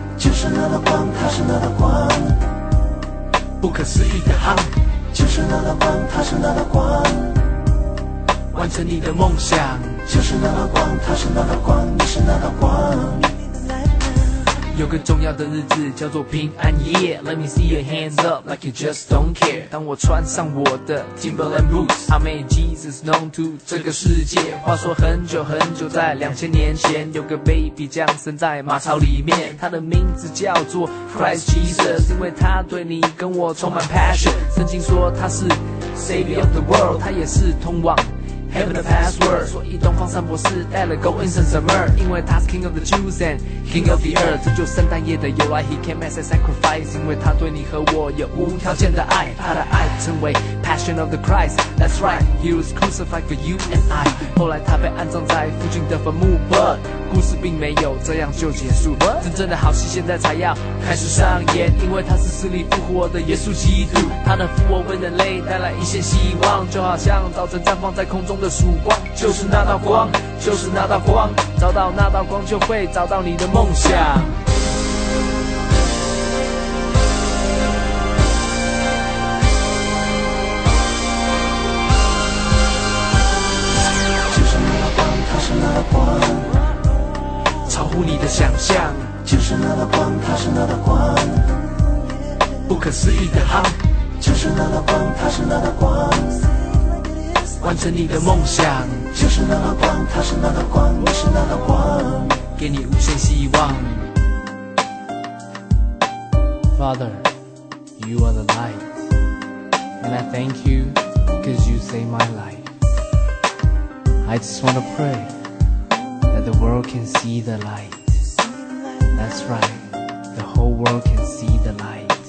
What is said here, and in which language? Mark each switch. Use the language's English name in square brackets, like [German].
[Chinese] 就是那个光，它是那个光，不可思议的航。就是那个光，它是那个光，完成你的梦想。就是那个光，它是那个光，你是那个光。有个重要的日子叫做平安夜。 [English] Let me see your hands up like you just don't care。 [Chinese] 当我穿上我的 [English] Timberland boots， I made Jesus known to [Chinese] 这个世界。话说很久很久，在2000年前，有个 baby 降生在马槽里面，他的名字叫做 Christ Jesus， 因为他对你跟我充满 passion。圣经说他是 [English] Savior of the world， [Chinese] 他也是通往 [English] Heaven the password， [Chinese] 所以东方三博士带了 [English] Go Incense Summer， [Chinese] 因为他是 [English] King of the Jews and King of the Earth， [Chinese] 这就圣诞夜的由来。 [English] He came as a sacrifice， [Chinese] 因为他对你和我有无条件的爱，他的爱称为 [English] Passion of the Christ。 That's right， He was crucified for you and I。 [Chinese] 后来他被安葬在附近的坟墓， but 故事并没有这样就结束。真正的好戏现在才要开始上演，因为他是死里复活的耶稣基督，他能复活为人类带来一线希望，就好像早晨绽放在空中。的曙光就是那道光，就是那道光，找到那道光就会找到你的梦想。就是那道光，它是那道光，超乎你的想象。就是那道光，它是那道光，不可思议的好。就是那道光，它是那道光，完成你的梦想。就是那道光，它是那道光，你是那道光，给你无限希望。 [English] Father, you are the light, and I thank you because you saved my life. I just want to pray that the world can see the light. That's right, the whole world can see the light.